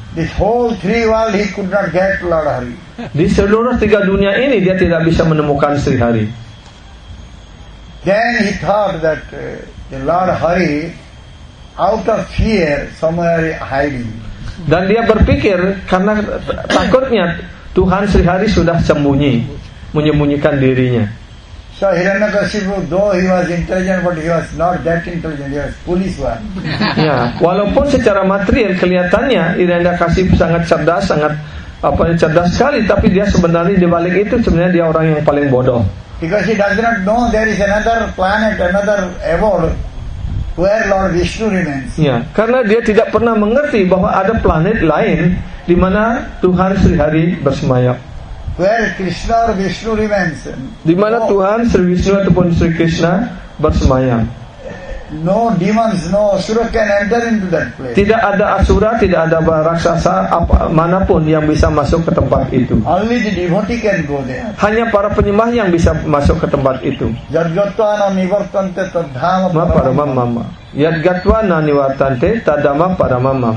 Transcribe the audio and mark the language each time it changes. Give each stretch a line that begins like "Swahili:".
English: This whole three world he could not get Lord Hari.
Indonesian: Di seluruh tiga dunia ini dia tidak bisa menemukan Sri Hari.
English: Then he thought that the Lord Hari, out of fear, somewhere hiding.
Indonesian: Dan dia berpikir karena takutnya Tuhan Sri Hari sudah sembunyi, menyembunyikan dirinya.
English: So Hiranyakashipu, though he was intelligent, but he was not that intelligent. He was foolish one.
Indonesian: Ya, walaupun secara material kelihatannya Hiranyakashipu sangat cerdas, cerdas sekali, tapi dia sebenarnya di balik itu sebenarnya dia orang yang paling bodoh.
English: Because he does not know there is another planet, another abode where Lord Vishnu remains.
Indonesian: Ya, karena dia tidak pernah mengerti bahwa ada planet lain di mana Tuhan Sri Hari bersemayam.
English: Where Krishna or Vishnu remains.
Indonesian: Di mana Tuhan Sri Vishnu ataupun Sri Krishna bersemayam.
English: No demons, no asura can enter into that place.
Indonesian: Tidak ada asura, tidak ada raksasa apa manapun yang bisa masuk ke tempat itu.
English: Only the devotee can go there.
Indonesian: Hanya para penyembah yang bisa masuk ke tempat itu.
Sanskrit: Yadgatva na nivartante tadhama paramamma. Yadgatva na nivartante tadhama paramamma.